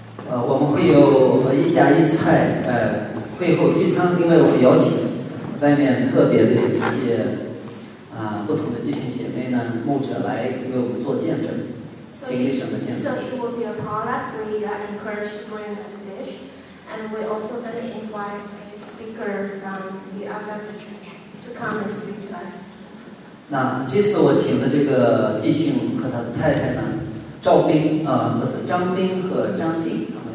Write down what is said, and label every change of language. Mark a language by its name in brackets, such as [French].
[Chinese] 我们会有一家一菜，会后聚餐，因为我们邀请外面特别的一些不同的弟兄姐妹呢，牧者来为我们做见证，经历什么见证？ [English] So it will be a potluck. We are encouraged to bring a dish, and we also going to invite a speaker from the other church to come and speak to us. [Chinese] 那这次我请的这个弟兄和他的太太呢，赵斌不是张斌和张静。